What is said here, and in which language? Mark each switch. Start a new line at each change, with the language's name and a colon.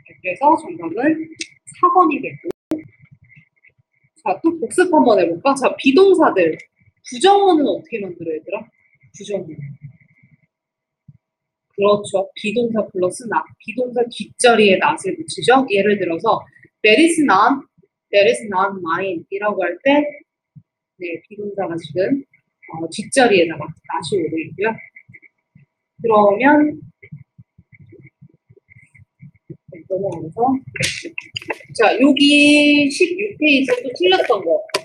Korean: 그래서 정답은 4번이 되고. 자, 또 복습 한번 해볼까? 자, 비동사들. 부정어는 어떻게 만들어야 되더라? 부정어. 그렇죠. 비동사 플러스 not. 비동사 뒷자리에 not을 붙이죠.
English: 예를 들어서, that is not mine.
Korean: 이라고 할 때, 네, 비동사가 지금 뒷자리에다가 not이 오고 있고요. 그러면, 넘어가면서. 자, 여기 16페이지에서 또 틀렸던 거.